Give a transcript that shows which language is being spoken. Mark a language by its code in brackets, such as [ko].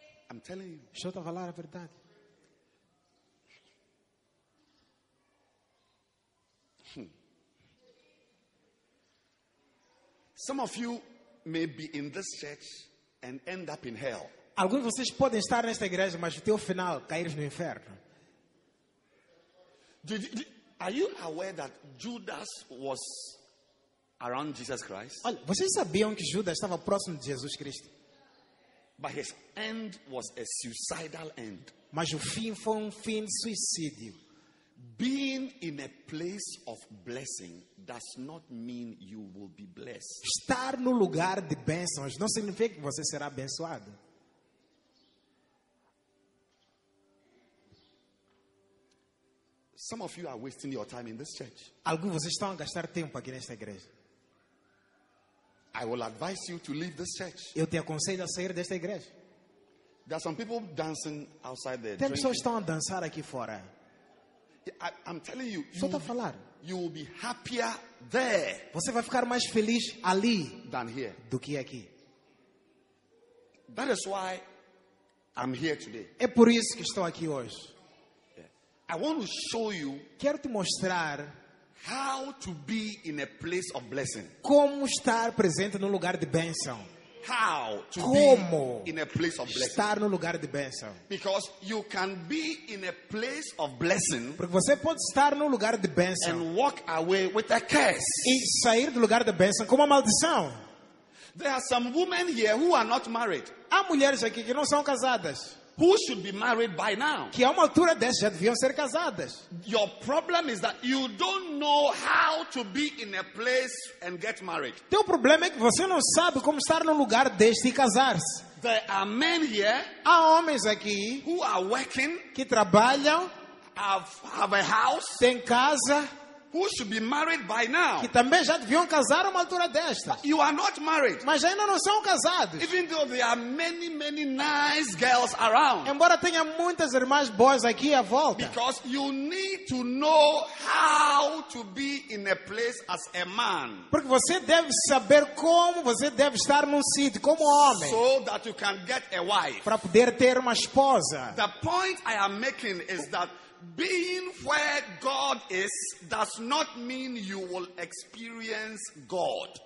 [en] I'm telling you. [pt] Estou a falar a verdade. [en] Some of you may be in this church and end up in hell. [pt] Alguns de vocês podem estar nesta igreja, mas o teu final cair no inferno. [en] Are you aware that Judas was around Jesus Christ? [pt] Olha, vocês sabiam que Judas estava próximo de Jesus Cristo? [en] But his end was a suicidal end. [pt] Mas o fim foi um fim suicídio. [en] Being in a place of blessing does not mean you will be blessed. [pt] Estar no lugar de bênçãos não significa que você será abençoado. [en] Some of you are wasting your time in this church. [pt] Alguns de vocês estão a gastar tempo aqui nesta igreja. [en] I will advise you to leave this church. [pt] Eu te aconselho a sair desta igreja. [en] There are some people dancing outside there. [pt] Tem pessoas estão a dançar aqui fora. [en] I'm telling you, [pt] só tá a falar. [en] You will be happier there. [pt] Você vai ficar mais feliz ali [en] than here. [pt] Do que aqui. [en] That is why I'm here today. [pt] É por isso que estou aqui hoje. [en] I want to show you. [pt] Quero te mostrar [en] how to be in a place of blessing. [pt] Como estar presente num lugar de bênção. [en] How to [pt] Como [en] be in a place of blessing. [pt] Estar no lugar de bênção. [en] Because you can be in a place of blessing. [pt] Porque você pode estar no lugar de bênção. [en] And walk away with a curse. [pt] E sair do lugar de bênção com uma maldição. [en] There are some women here who are not married. [pt] Há mulheres aqui que não são casadas. [en] Who should be married by now? [pt] Que a uma altura dessa já deviam ser casadas. [en] Your problem is that you don't know how to be in a place and get married. [pt] Teu problema é que você não sabe como estar num lugar deste e casar-se. [en] There are men here. [pt] Há homens aqui [en] who are working. [pt] Que trabalham. [en] Have a house. [pt] Têm casa. [en] Who should be married by now? [pt] Que também já deviam casar a uma altura desta. [en] You are not married. [pt] Mas ainda não são casados. [en] Even though there are many, many nice girls around. [pt] Embora tenha muitas irmãs boas aqui à volta. [en] Because you need to know how to be in a place as a man. [pt] Porque você deve saber como você deve estar num sítio como homem. [en] So that you can get a wife. [pt] Para poder ter uma esposa. [en] The point I am making is that being where God is does not mean you will experience God.